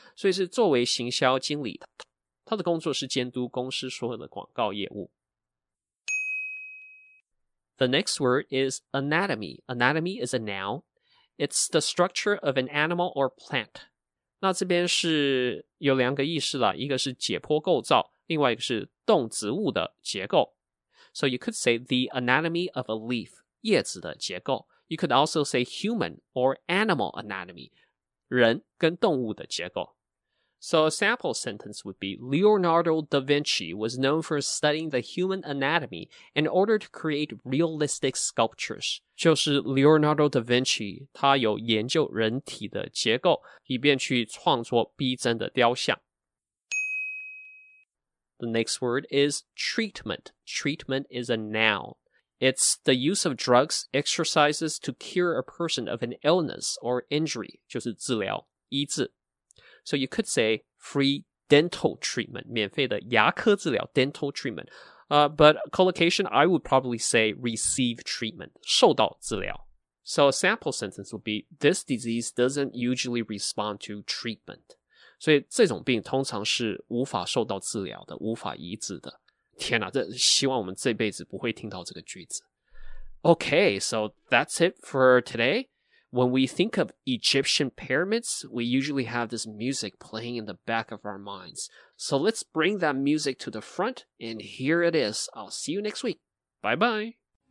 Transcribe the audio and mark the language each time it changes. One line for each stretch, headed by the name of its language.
Chinese: 所以是作为行销经理，她的工作是监督公司所有的广告业务。
English: The next word is anatomy. Anatomy is a noun. It's the structure of an animal or plant.
Chinese: 那这边是有两个意思啦，一个是解剖构造，另外一个是动植物的结构。
English: So you could say the anatomy of a leaf,
Chinese: 叶子的结构。
English: You could also say human or animal anatomy,
Chinese: 人跟动物的结构。
English: So a sample sentence would be, Leonardo da Vinci was known for studying the human anatomy in order to create realistic sculptures.
Chinese: 就是 Leonardo da Vinci, 他有研究人体的结构，以便去创作逼真的雕像。
English: The next word is treatment. Treatment is a noun. It's the use of drugs, exercises to cure a person of an illness or injury,
Chinese: 就是治疗、医治。
English: So you could say free dental treatment,
Chinese: 免费的牙科治疗
English: dental treatment. But collocation, I would probably say receive treatment,
Chinese: 受到治疗。
English: So a sample sentence would be, this disease doesn't usually respond to treatment.
Chinese: 所以这种病通常是无法受到治疗的，无法医治的。天哪，这希望我们这辈子不会听到这个句子。
English: Okay, so that's it for today. When we think of Egyptian pyramids, we usually have this music playing in the back of our minds. So let's bring that music to the front, and here it is. I'll see you next week. Bye-bye.